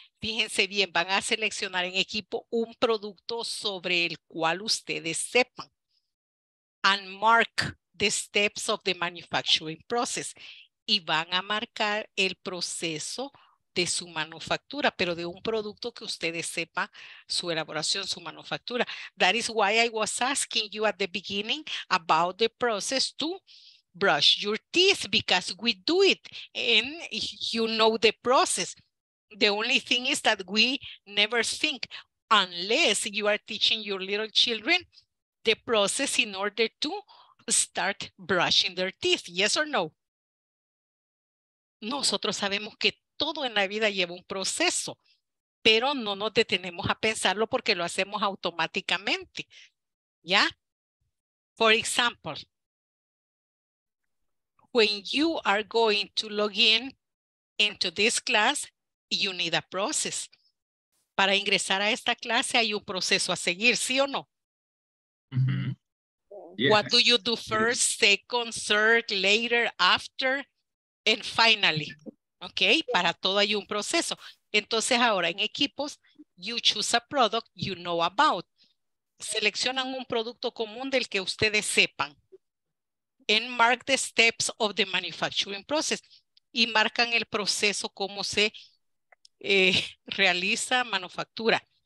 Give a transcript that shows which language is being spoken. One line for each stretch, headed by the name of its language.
Spanish: Fíjense bien, van a seleccionar en equipo un producto sobre el cual ustedes sepan.
English: And mark the steps of the manufacturing process.
Spanish: Y van a marcar el proceso de su manufactura, pero de un producto que ustedes sepan su elaboración, su manufactura.
English: That is why I was asking you at the beginning about the process to brush your teeth, because we do it and you know the process. The only thing is that we never think, unless you are teaching your little children the process in order to start brushing their teeth. Yes or no?
Spanish: Nosotros sabemos que todo en la vida lleva un proceso, pero no nos detenemos a pensarlo porque lo hacemos automáticamente. ¿Ya?
English: For example, when you are going to log in into this class, you need a process.
Spanish: Para ingresar a esta clase hay un proceso a seguir, ¿sí o no? Mm-hmm.
English: Yeah. What do you do first, second, third, later, after, and finally?
Spanish: Okay, para todo hay un proceso. Entonces ahora en equipos,
English: you choose a product you know about.
Spanish: Seleccionan un producto común del que ustedes sepan.
English: And mark the steps of the manufacturing process.
Spanish: Y marcan el proceso como se realiza manufactura.